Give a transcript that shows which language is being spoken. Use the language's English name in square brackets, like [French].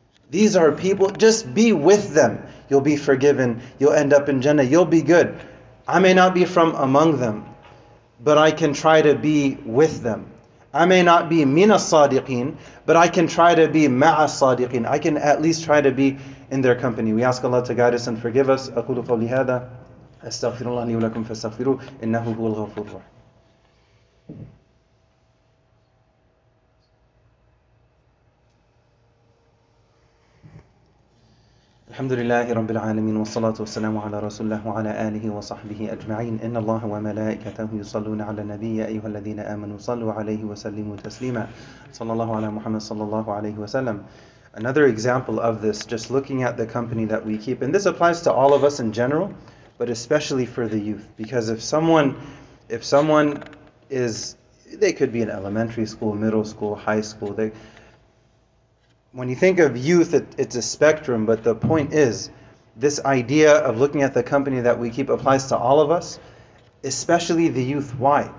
[English] These are people, just be with them, you'll be forgiven, you'll end up in Jannah, you'll be good. I may not be from among them, but I can try to be with them. I may not be min as-sadiqeen, but I can try to be ma'a as-sadiqeen. I can at least try to be in their company. We ask Allah to guide us and forgive us. [Arabic] أقول قولي هذا أستغفر الله لي ولكم فاستغفروا إنه هو الغفور الرحيم. الحمد لله رب العالمين والصلاة والسلام على رسول الله وعلى آله وصحبه أجمعين إن الله وملائكته يصلون على النبي يا أيها الذين آمنوا صلوا عليه وسلموا تسليما صلى الله على محمد صلى الله عليه وسلم. [English] Another example of this, just looking at the company that we keep, and this applies to all of us in general, but especially for the youth, because if someone is, they could be in elementary school, middle school, high school, they, when you think of youth, it's a spectrum, but the point is, this idea of looking at the company that we keep applies to all of us, especially the youth. Why?